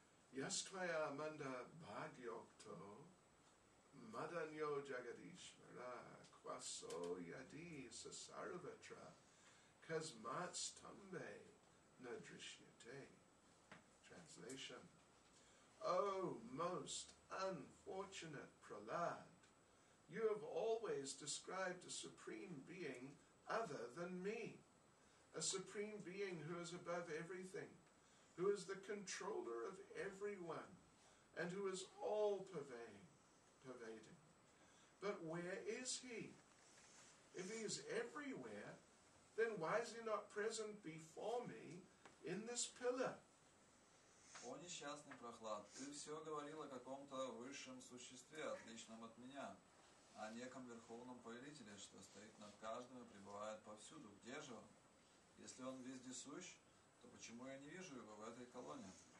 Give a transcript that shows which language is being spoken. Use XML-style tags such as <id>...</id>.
<sa>Яствая манда бхагьокто, маданьо джагадишвара, квасо яди сасарватра, казмац тамбе надришьете.</sa> <en>Translation. O most unfortunate Prahlad, you have always described a supreme being other than me, a supreme being who is above everything, who is the controller of everyone, and who is all-pervading. But where is he? If he is everywhere, then why is he not present before me in this pillar?</en> <ru>О, несчастный Прохлад, ты все говорил о каком-то высшем существе, отличном от меня. О неком верховном повелителе, что стоит над каждым и пребывает повсюду. Где же он? Если он вездесущ, то почему я не вижу его в этой колонии?</ru>